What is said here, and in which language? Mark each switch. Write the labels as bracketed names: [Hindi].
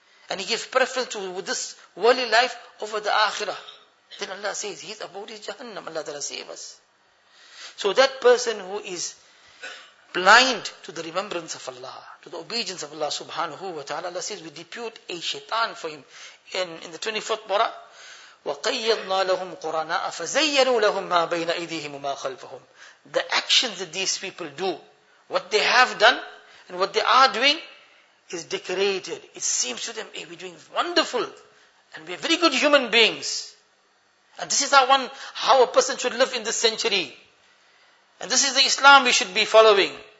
[English] And he gives preference to this worldly life over the akhirah. Then Allah says, his abode is Jahannam. Allah ta'ala save us. So that person who is blind to the remembrance of Allah, to the obedience of Allah subhanahu wa ta'ala, Allah says, we depute a shaitan for him. In the 24th Bora, [Arabic] وَقَيَّضْنَا لَهُمْ قُرَنَاءَ فَزَيَّنُوا لَهُمْ مَا بَيْنَ أَيْدِهِمُ مَا خَلْفَهُمْ. [English] The actions that these people do, what they have done, and what they are doing, is decorated. It seems to them, hey, we're doing wonderful, and we're very good human beings. And this is our one, how a person should live in this century. And this is the Islam we should be following.